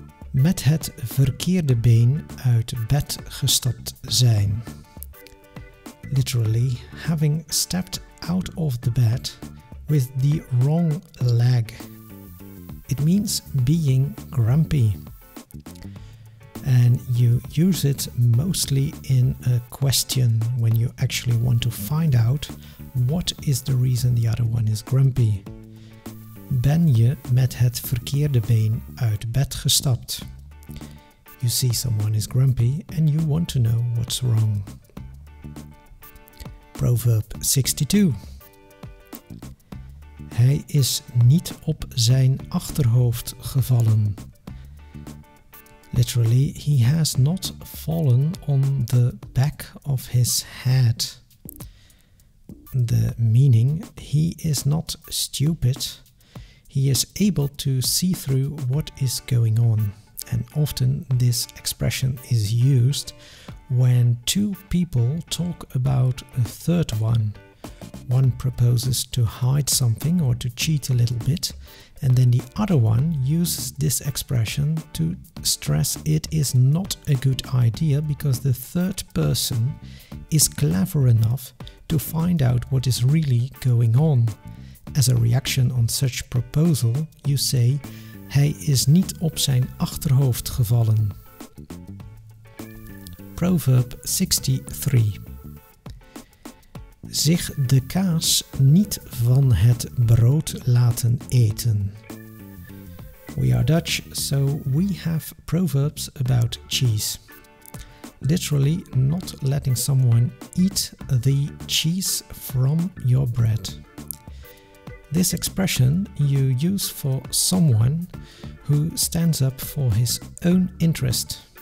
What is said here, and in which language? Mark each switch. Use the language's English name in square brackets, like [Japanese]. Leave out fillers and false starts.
[Dutch] Met het verkeerde been uit bed gestapt zijn. [English] Literally, having stepped out of the bed with the wrong leg. It means being grumpy. And you use it mostly in a question when you actually want to find out what is the reason the other one is grumpy. [Dutch] Ben je met het verkeerde been uit bed gestapt? [English] You see someone is grumpy and you want to know what's wrong. Proverb 62. [Dutch] Hij is niet op zijn achterhoofd gevallen. [English] Literally, he has not fallen on the back of his head. The meaning, he is not stupid. He is able to see through what is going on. And often this expression is used when two people talk about a third one. One proposes to hide something or to cheat a little bit, and then the other one uses this expression to stress it is not a good idea because the third person is clever enough to find out what is really going on. As a reaction on such proposal, you say, [Dutch] hij is niet op zijn achterhoofd gevallen. [English] Proverb 63. [Dutch] Zich de kaas niet van het brood laten eten. [English] We are Dutch, so we have proverbs about cheese. Literally, not letting someone eat the cheese from your bread. This expression you use for someone who stands up for his own interest.